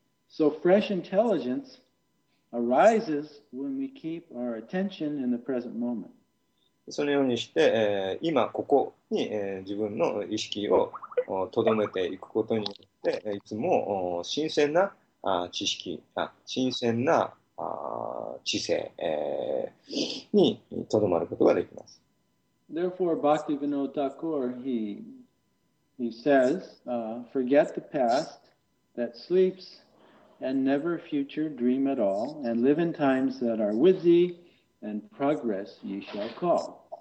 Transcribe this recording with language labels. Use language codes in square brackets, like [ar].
[en] So fresh intelligence arises when we keep our attention in the present moment. [ja] そのようにして、今ここに、自分の意識を留めていくことによっていつも新鮮な知識、新鮮な知性、にとどまることができます。 [en] Therefore, Bhaktivinoda Thakur, he says, forget the past that sleeps and never future dream at all, and live in times that are with thee, and progress ye shall call.